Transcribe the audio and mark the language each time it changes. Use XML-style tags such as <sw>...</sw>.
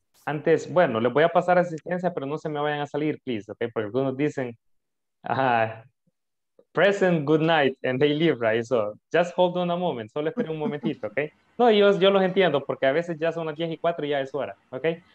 <es>Antes, bueno, les voy a pasar asistencia, pero no se me vayan a salir,</es> <en>please,</en> <es>okay? Porque algunos dicen,</es> <en>present, good night,</en> <es>and they leave, right?</es> <en>So just hold on a moment,</en> <es>solo espere un momentito,</es> <en>okay?</en> <es>No, yo los entiendo, porque a veces ya son las 10 y 4 y ya es hora, okay?</es>